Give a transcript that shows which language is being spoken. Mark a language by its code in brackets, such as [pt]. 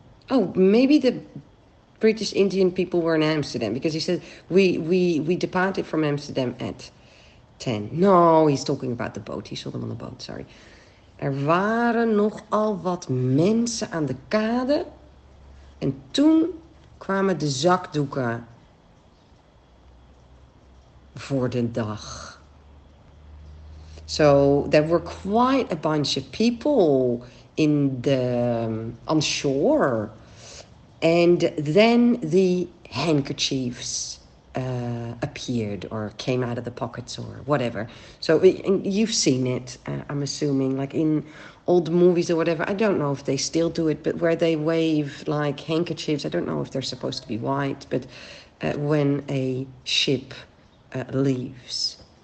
[en] Oh, maybe the British Indian people were in Amsterdam because he said we departed from Amsterdam at 10. No, he's talking about the boat. He saw them on the boat, sorry. [nl] Er waren nogal wat mensen aan de kade en toen kwamen de zakdoeken voor de dag. [en] So there were quite a bunch of people in the on shore, and then the handkerchiefs appeared or came out of the pockets or whatever. So and you've seen it, I'm assuming, like in old movies or whatever. I don't know if they still do it, but where they wave like handkerchiefs. I don't know if they're supposed to be white, but when a ship leaves.